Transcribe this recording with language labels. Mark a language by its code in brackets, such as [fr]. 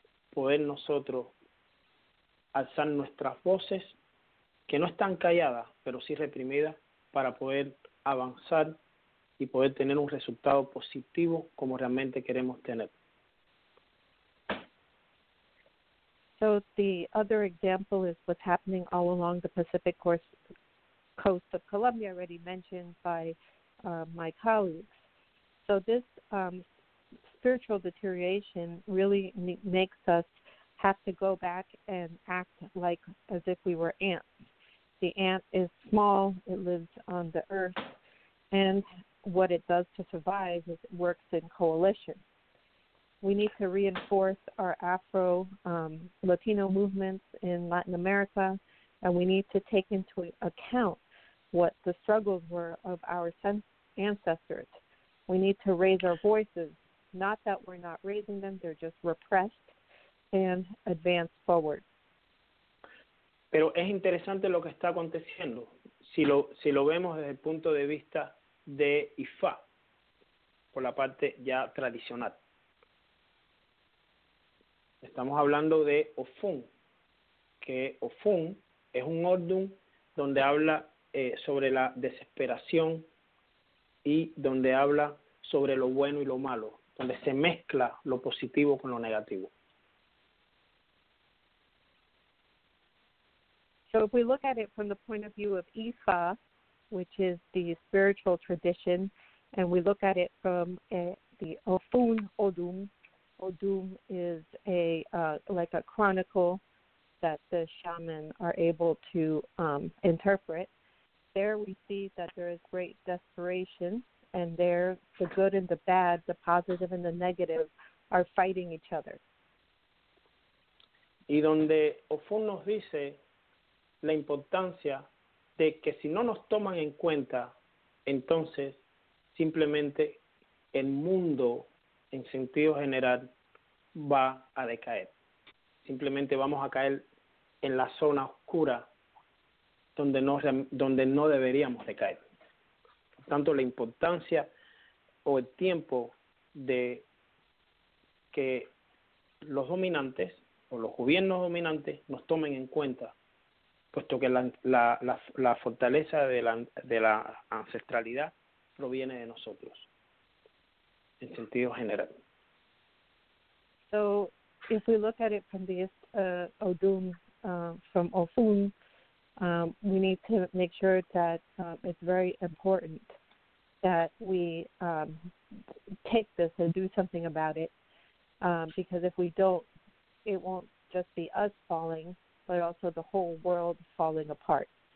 [es] poder nosotros alzar nuestras voces que no están calladas, pero sí reprimidas, para poder avanzar y poder tener un resultado positivo como realmente queremos tener. [en] So the other example is what's happening all along the Pacific coast of Colombia, already mentioned by my colleagues. So this spiritual deterioration really makes us have to go back and act like as if we were ants. The ant is small, it lives on the earth, and what it does to survive is it works in coalition. we need to reinforce our Afro Latino movements in Latin America, and we need to take into account what the struggles were of our ancestors. We need to raise our voices, not that we're not raising them, they're just repressed, and advance forward. [es] Pero es interesante lo que está aconteciendo, si lo vemos desde el punto de vista de Ifá, por la parte ya tradicional. Estamos hablando de Ofun, que Ofun es un ordum donde habla sobre la desesperación y donde habla sobre lo bueno y lo malo, donde se mezcla lo positivo con lo negativo. [en] So if we look at it from the point of view of Ifá, which is the spiritual tradition, and we look at it from the Ofun Odum, Odum is like a chronicle that the shaman are able to interpret, there we see that there is great desperation, and there the good and the bad, the positive and the negative, are fighting each other. [es] Y donde Ofun nos dice la importancia de que si no nos toman en cuenta, entonces simplemente el mundo en sentido general va a decaer. Simplemente vamos a caer en la zona oscura donde no deberíamos decaer. Por tanto, la importancia o el tiempo de que los dominantes o los gobiernos dominantes nos tomen en cuenta, puesto que la fortaleza de la ancestralidad proviene de nosotros, en sentido general. [en] So, if we look at it from the Odum, from Ofun, we need to make sure that it's very important that we take this and do something about it, because if we don't, it won't just be us falling, but also the whole world falling apart.